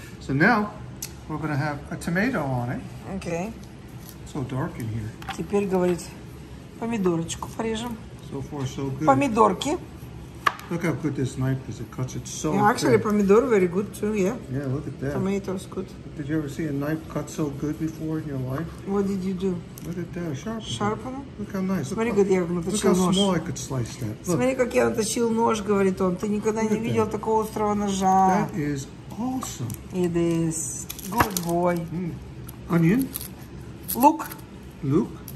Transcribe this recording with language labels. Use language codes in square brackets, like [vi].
[en] So now we're going to have a tomato on it. Okay. So dark in here. [ru] Теперь, говорит, помидорочку порежем. [en] So far so good. [ru] Помидорки. [en] Look how good this knife is. It cuts it so good. Actually, pomidor very good too, yeah. Yeah, look at that. Tomatoes good. Did you ever see a knife cut so good before in your life? What did you do? Look at that. Sharpen. Sharpen? Look how nice. [ru] Смотри, говорит, я наточил нож. [en] Look how small I could slice that. Look. [ru] Смотри, как я наточил нож, говорит он. Ты никогда не видел that. Такого острого ножа. [en] That is awesome. It is. Good boy. Mm. Onion? Look. Look.